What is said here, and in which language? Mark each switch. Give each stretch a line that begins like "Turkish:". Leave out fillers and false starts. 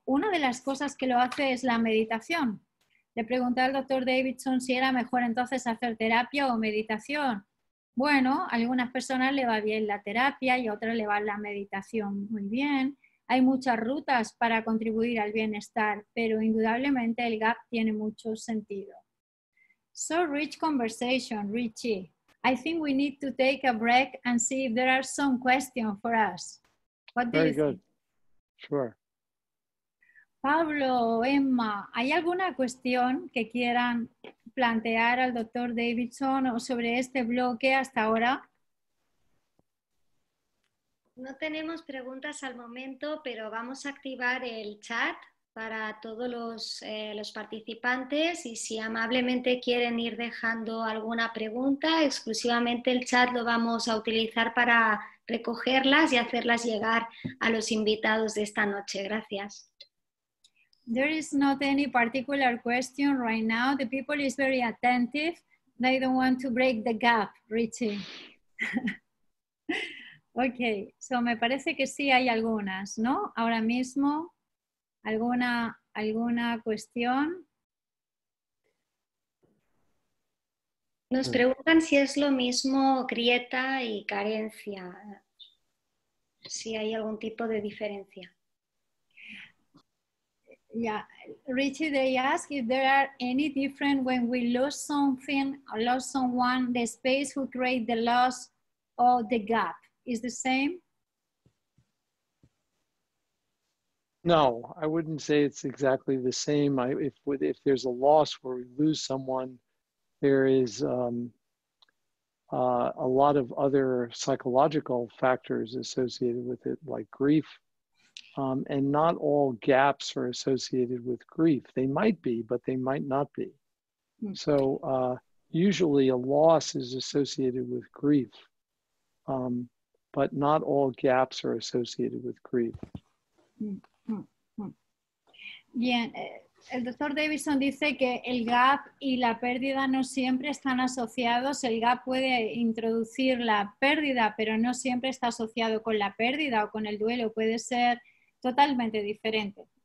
Spanish: Una de las cosas que lo hace es la meditación. Le pregunté al doctor Davidson si era mejor entonces hacer terapia o meditación. Bueno, a algunas personas le va bien la terapia y a otras le va la meditación muy bien. Hay muchas rutas para contribuir al bienestar, pero indudablemente el gap tiene mucho sentido.
English: So rich conversation, Richie. I think we need to take a break and see if there are some questions for us. What do Very you good. Think? Sure.
Spanish: Pablo, Emma, ¿hay alguna cuestión que quieran plantear al doctor Davidson o sobre este bloque hasta ahora? No tenemos preguntas al momento, pero vamos a activar el chat para todos los participantes, y si amablemente quieren ir dejando alguna pregunta, exclusivamente el chat lo vamos a utilizar para recogerlas y hacerlas llegar a los invitados de esta noche. Gracias.
English: There is not any particular question right now. The people is very attentive. They don't want to break the gap, Richie. Ok, so
Spanish: me parece que sí hay algunas, ¿no? Ahora mismo, ¿alguna cuestión? Nos preguntan si es lo mismo grieta y carencia, si hay algún tipo de diferencia.
English: Yeah, Richie, they ask if there are any different when we lose something or lose someone, the space who create the loss or the gap. Is the same? No, I wouldn't say it's exactly the same. If there's a loss where we lose someone, there is a lot of other psychological factors associated with it, like grief. And not all gaps are associated with grief. They might be, but they might not be. So usually a loss is associated with grief, but not all gaps are associated with grief.
Spanish: Bien, el doctor Davidson dice que el gap y la pérdida no siempre están asociados. El gap puede introducir la pérdida, pero no siempre está asociado con la pérdida o con el duelo. Puede ser totalmente diferente.